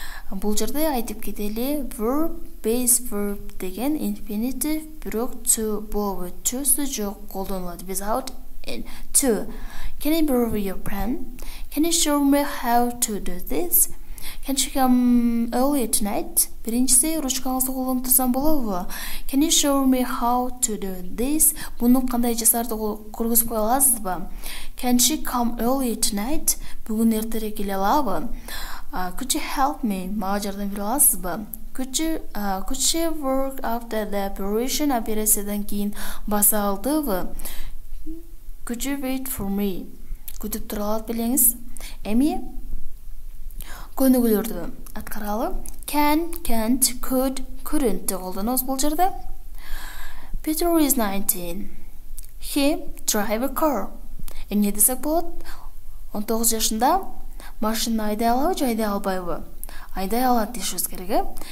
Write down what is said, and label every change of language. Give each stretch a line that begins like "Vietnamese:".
Kyrgyz: Бул жерде айтып кетели, verb base verb деген infinitive, бирок to болбу, to'су жок колдонулат
English: without in to. Can I borrow your pen? Can you show me how to do this? Can you come early tonight?
Kyrgyz: Биринчиси, ручкаңызды колдонсам болобу?
English: Can you show me how to do this?
Kyrgyz: Муну кандай жасарды көргөзүп кое аласызбы?
English: Can she come early tonight?
Kyrgyz: Бүгүн эртерээк келе алабы?
English: Could you help me?
Kyrgyz: Мага жардам бере аласызбы?
English: Could she work after the operation?
Kyrgyz: Операциядан кийин баса алдыбы?
English: Could you wait for me?
Kyrgyz: Күтүп тура алат белеңиз? Эми көнүгүлөрдү аткаралы. Can, can't, could, couldn't колдонобуз бул жерде.
English: Peter is 19. He drive a car.
Kyrgyz: Эмне десек болот? 19 жашында машина айдай алабы же айдай албайбы? Айдай алат дешибиз керек.